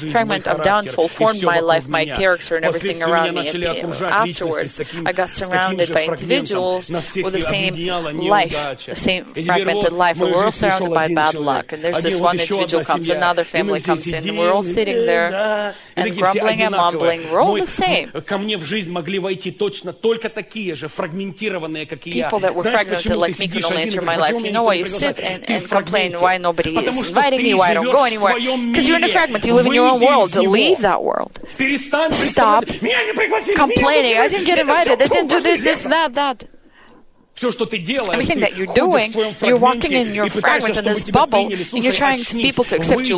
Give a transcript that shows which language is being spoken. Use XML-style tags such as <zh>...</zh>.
<en>Fragment of downfall formed my life, my character, and everything around me. Afterwards, I got surrounded by individuals with the same life, the same fragmented life. We were all surrounded by bad luck. And there's this one individual comes, another family comes in, and we're all sitting there and grumbling at mom.</en> <ru>Ко мне в жизнь могли войти точно только такие же фрагментированные, как и я.</ru> <en>People that were fragmented like me can only enter my life. You know why you sit and complain? Why nobody is inviting me? Why I don't go anywhere? Because you're in a fragment. You live in your own world. To leave that world. Stop complaining. I didn't get invited. They didn't do this, this, that. Everything that you're doing, you're walking in your fragment in this bubble, and you're trying to people to accept you.</en>